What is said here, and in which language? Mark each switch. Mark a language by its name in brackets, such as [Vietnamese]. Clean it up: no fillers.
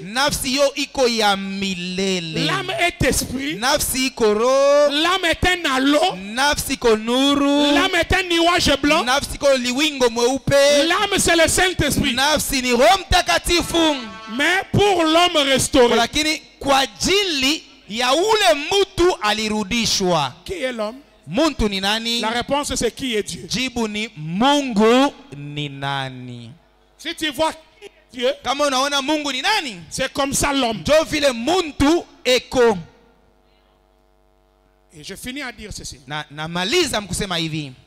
[Swahili] Nafsi yo iko ya milele. [French] L'âme est esprit. [Swahili] Nafsi iko ro. [French] L'âme est un halo. [Swahili] Nafsi iko nuru. [French] L'âme est un nuage blanc. [Swahili] Nafsi iko liwingo mweupe. [French] L'âme c'est le Saint-Esprit. [Swahili] Nafsi ni Roho Mtakatifu. [French] Mais pour l'homme restauré. [Swahili] Lakini kwa ajili ya ule mtu alirudishwa. [French] Qui est l'homme? [Swahili] Muntu ni nani? [French] La réponse c'est qui est Dieu? [Swahili] Jibu ni Mungu ni nani? [French] Si tu vois Dieu, [Swahili] kama unaona Mungu ni nani? [French] C'est comme ça l'homme. [Swahili] Jo vile muntu eko. [French] Et je finis à dire ceci. [Swahili] Na maliza mkusema hivi.